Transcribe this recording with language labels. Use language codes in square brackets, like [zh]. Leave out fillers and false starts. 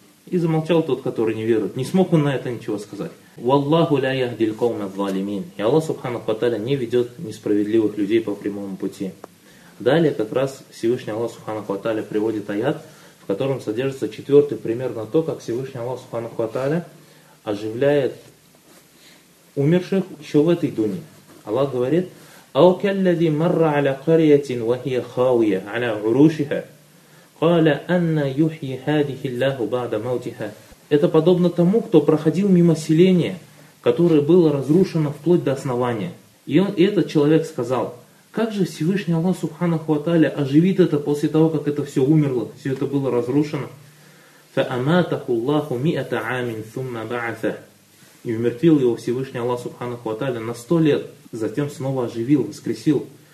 [ru] Не смог он на это ничего сказать. [ar] وَاللَّهُ لَا يَهْدِي الْقَوْمَ الظَّالِمِينَ [ru] И Аллах, Субханаху ва Тааля, не ведет несправедливых людей по прямому пути. Далее как раз Всевышний Аллах, Субханаху ва Тааля, приводит аят, в котором содержится четвертый пример на то, как Всевышний Аллах, Субханаху ва Тааля, оживляет умерших еще в этой дуне. Аллах говорит, [ar] أَوْ كَالَّذِي مَرَّ عَلَى قَرْيَةٍ وَهِيَ خَاوِيَةٍ عَلَى عُرُوشِهَا قَالَ أَنَّ يُحْيِي هَذِهِ اللَّهُ بَعْدَ مَوْتِهَا [ru] Это подобно тому, кто проходил мимо селения, которое было разрушено вплоть до основания. И этот человек сказал, как же Всевышний Аллах Субханаху ва Тааля оживит это после того, как это все умерло, все это было разрушено. [ar] فَأَمَاتَهُ اللَّهُ مِئَةَ عَامٍ ثُمَّ بَعَثَ [ru] И умертвил его Всевышний Аллах Субханаху ва Тааля на 100 лет, затем снова оживил, воскресил.